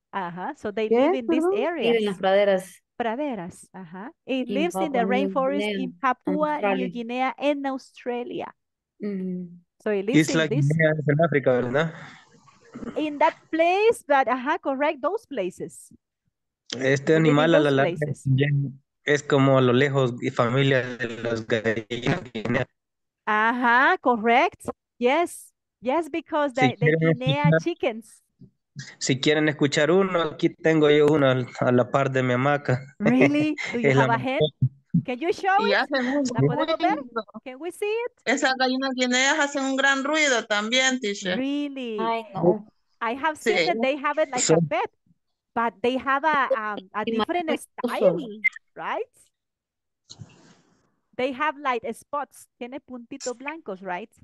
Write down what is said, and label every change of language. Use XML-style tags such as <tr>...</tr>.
<en>Ajá, so they live in this area.</en> <es>Viven en las praderas. Praderas, ajá.</es> <en>It lives in the rainforest in Papua, New Guinea, and Australia. So it lives in Africa, ¿verdad? In that place, but ajá, correct, those places.</en> <es>Este animal a la larga es como a lo lejos y familia de los gallinas.</es> <en>Ajá, correct. Yes, yes, because the Guinea chickens.</en> <es>Si quieren escuchar uno, aquí tengo yo uno a la par de mi hamaca.</es> <en>Really? Do you have a hen? Can you show it?</en> <es>¿La podemos ver?</es> <en>Can we see it?</en> <es>Esas gallinas guineas hacen un gran ruido también, teacher.</es> <en>Really? I know. I have seen that they have it like a pet, but they have a different style, right? They have like spots,</en> <es>tiene puntitos blancos,</es> <en>right?</en>